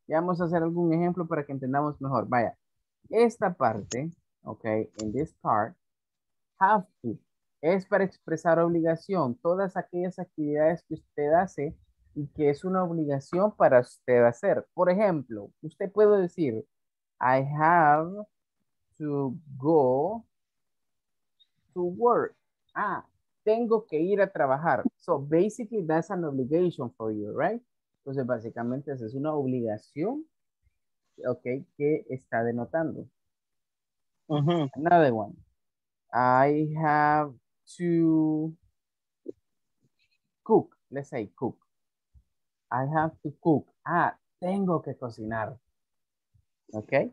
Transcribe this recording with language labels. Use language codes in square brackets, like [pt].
[es] Ya vamos a hacer algún ejemplo para que entendamos mejor. Vaya. Esta parte, ok, [en] in this part, have to, [es] es para expresar obligación. Todas aquellas actividades que usted hace y que es una obligación para usted hacer. Por ejemplo, usted puede decir, [en] I have to go to work. [es] Ah, tengo que ir a trabajar. [en] So basically that's an obligation for you, right? [es] Entonces básicamente esa es una obligación, ok, que está denotando. [en] Another one. I have to cook. Let's say cook. I have to cook. [es] Ah, tengo que cocinar. [en] Ok.